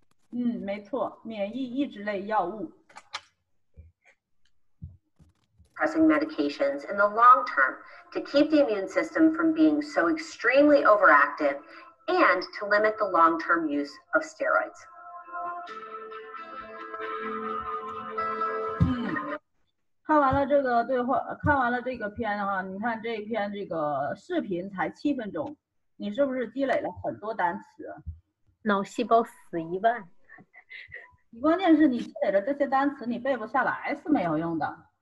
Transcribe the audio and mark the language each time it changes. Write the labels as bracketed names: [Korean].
[Chinese] 嗯，没错，免疫抑制类药物。 [English] Pressing medications in the long term to keep the immune system from being so extremely overactive and to limit the long term use of steroids. [Chinese] 嗯，看完了这个对话，看完了这个片啊，你看这一篇这个视频才七分钟，你是不是积累了很多单词？脑细胞死一万。你关键是你积累了这些单词，你背不下来是没有用的。